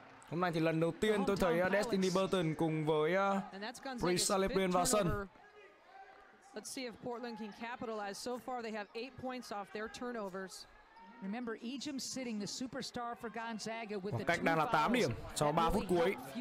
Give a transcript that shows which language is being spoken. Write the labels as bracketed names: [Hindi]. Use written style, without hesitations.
[Vietnamese] Hôm nay thì lần đầu tiên tôi thấy Destiny Burton cùng với Bree Salepin vào sân. [English] Let's see if Portland can capitalize. So far, they have 8 points off their turnovers. Remember, Ejim sitting the superstar for Gonzaga with [Vietnamese] the cách đang là 8 điểm cho 3 phút cuối.